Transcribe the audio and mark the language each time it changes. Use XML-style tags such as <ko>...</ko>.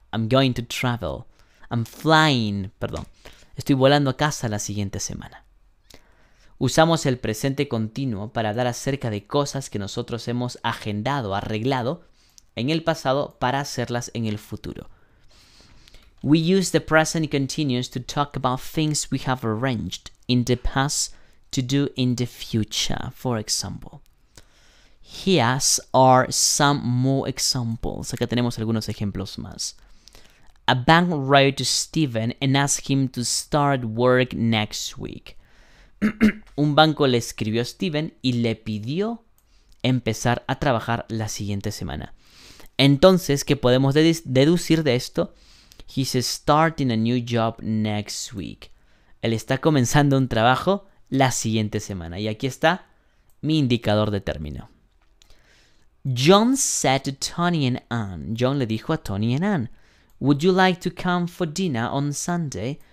<en>I'm going to travel. I'm flying.</en> <es>Perdón. Estoy volando a casa la siguiente semana. Usamos el presente continuo para hablar acerca de cosas que nosotros hemos agendado, arreglado en el pasado para hacerlas en el futuro.</es> <en>We use the present continuous to talk about things we have arranged in the past to do in the future. For example, here are some more examples.</en> <es>Acá tenemos algunos ejemplos más.</es> <en>A bank wrote to Steven and asked him to start work next week.</en> <es>Un banco le escribió a Steven y le pidió empezar a trabajar la siguiente semana. Entonces, ¿qué podemos deducir de esto?</es> <en>He's starting a new job next week.</en> <es>Él está comenzando un trabajo la siguiente semana. Y aquí está mi indicador de término.</es> <en>John said to Tony and Anne. John</en> <es>le dijo a</es> <en>Tony and Anne. Would you like to come for dinner on Sunday?</en>